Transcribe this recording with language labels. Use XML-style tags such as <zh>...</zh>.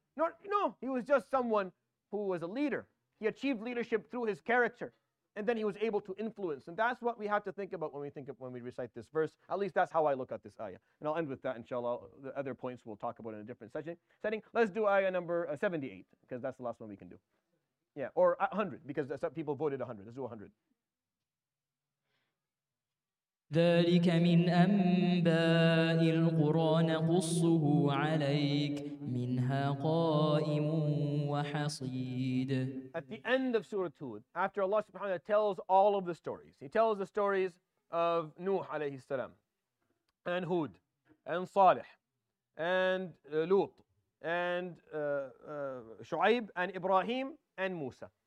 <en>No, he was just someone who was a leader. He achieved leadership through his character, and then he was able to influence. And that's what we have to think about when we recite this verse. At least that's how I look at this ayah. And I'll end with that, inshallah. The other points we'll talk about in a different setting. Let's do ayah number 78, because that's the last one we can do. Yeah, or 100, because some people voted 100. Let's do 100.</en> <ar>ذلك من أنباء القرى نقصه عليك منها قائم وحصيد.</ar> <en>At the end of Surah Hud, after Allah subhanahu wa ta'ala tells all of the stories, He tells the stories of Nuh alayhi salam, and Hud, and Salih, and Lut, and Shu'aib, and Ibrahim, and Musa.</en>